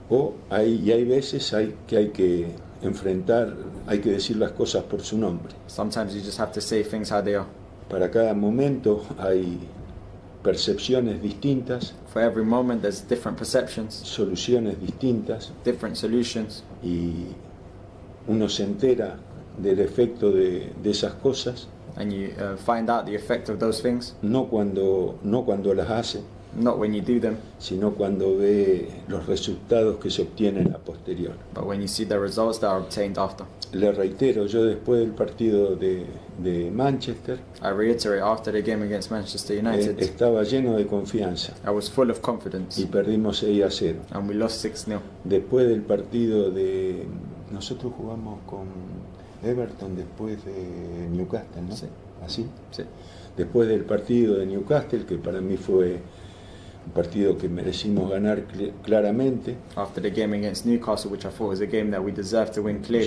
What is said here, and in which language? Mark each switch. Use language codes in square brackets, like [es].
[es] O hay veces hay que enfrentar, hay que decir las cosas por su nombre. [en] Sometimes you just have to say things how they are. [es] Para cada momento hay percepciones distintas. [en] For every moment there's different perceptions. [es] Soluciones distintas. [en] Different solutions. [es] Y uno se entera del efecto de esas cosas. [en] And you find out the effect of those things. [es] No cuando las hace. [en] Not when you do them, [es] sino cuando ve los resultados que se obtienen a posterior. [en] But when you see the results that are obtained after. [es] Le reitero, yo después del partido de Manchester, [en] I reiterate, after the game against Manchester United, [es] estaba lleno de confianza. [en] I was full of confidence. [es] Y perdimos 6-0. [en] And we lost 6-0. [es] Después del partido de nosotros jugamos con Everton después de Newcastle, ¿no? Sí. ¿Así? Sí. Después del partido de Newcastle, que para mí fue un partido que merecimos ganar claramente. [en] After the game against Newcastle, which I thought was a game that we deserved to win clearly.